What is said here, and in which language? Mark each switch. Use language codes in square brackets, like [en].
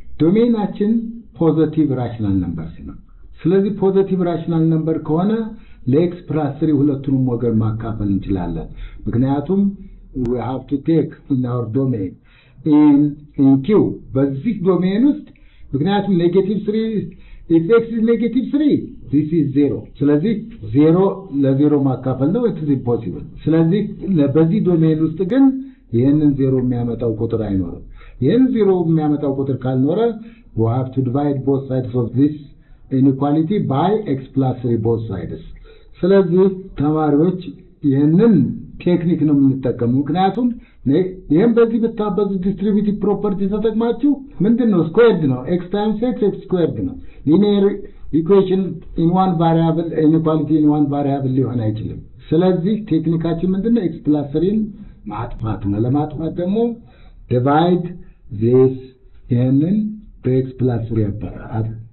[en] Domain action positive rational numbers. ስለዚህ positive rational number ከሆነ ለx plus 3 [am] ሁለቱንም ወገን ማካፈል እንችላለን። [en] ምክንያቱም we have to take in our domain in Q. በዚህ domain ውስጥ ምክንያቱም negative 3 if x is negative 3 this is 0. [am] ስለዚህ 0 ለ 0 ማካፈል ነው [en] it is impossible. ስለዚህ በዚህ domain ውስጥ ግን ይሄንን 0 የሚያመጣው ቁጥር አይኖርም። [am] ይሄን 0 የሚያመጣው ቁጥር ካልኖረ [en] we have to divide both sides of this inequality by x plus 3 both sides. [am] ስለዚህ ተማሪዎች ይሄንን ቴክኒክ ነው የምንጠቀመው። ምክንያቱም ይሄን በዚህ በታበዙ ዲስትሪቢቲቭ ፕሮፐርቲ ተጠቅማችሁ ምንድነው ስኩዌርድ ነው [en] x times x x squared [am] ነው ሊኒየር equation in one variable [en] inequality in one variable [am] ሊሆን አይችልም። ስለዚህ ቴክኒካችን ምንድነው x plus 3ን ማጥፋት ነው። ለማጥፋት ደግሞ [en] divide this n by x plus 3 [am] ይባላል።